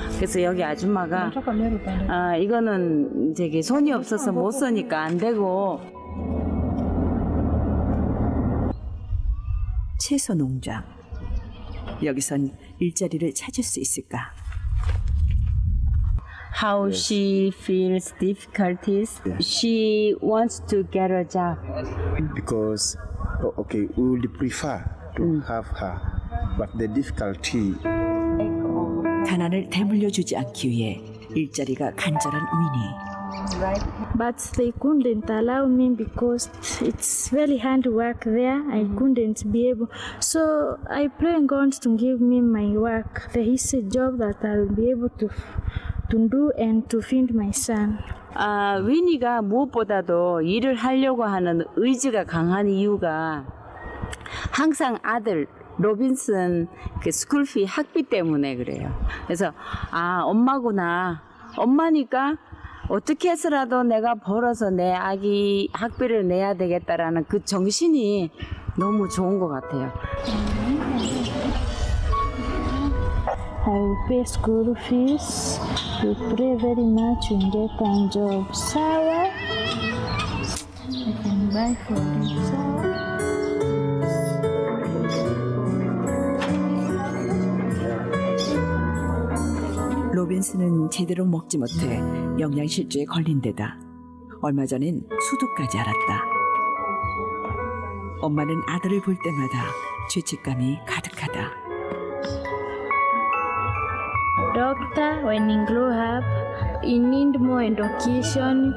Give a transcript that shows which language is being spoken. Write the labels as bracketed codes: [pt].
[ko] 그래서 여기 아줌마가 이거는 되게 손이 없어서 못 써니까 안 되고. 채소 농장, 여기선 일자리를 찾을 수 있을까? [en] How yes. she feels difficulties? Yeah. She wants to get a job. Because, okay, we would prefer to have her, but the difficulty. [ko] 가난을 대물려주지 않기 위해 일자리가 간절한 위니. [en] Right. But they couldn't allow me because it's very hard work there. I couldn't be able. So I pray God to give me my work. There is a job that I'll be able to. To do and to feed my son. [ko] 아, 위니가 무엇보다도 일을 하려고 하는 의지가 강한 이유가 항상 아들 로빈슨 그 스쿨피 학비 때문에 그래요. 그래서 아, 엄마구나. 엄마니까 어떻게 해서라도 내가 벌어서 내 아기 학비를 내야 되겠다라는 그 정신이 너무 좋은 것 같아요. [en] I pay school fees. We pray very much and get a job. Sour. I can buy for them. Sour. [ko] 로빈슨은 제대로 먹지 못해 영양실조에 걸린 데다 얼마 전엔 수두까지 앓았다. 엄마는 아들을 볼 때마다 죄책감이 가득하다. [en] Doctor, when he grow up, he need more education.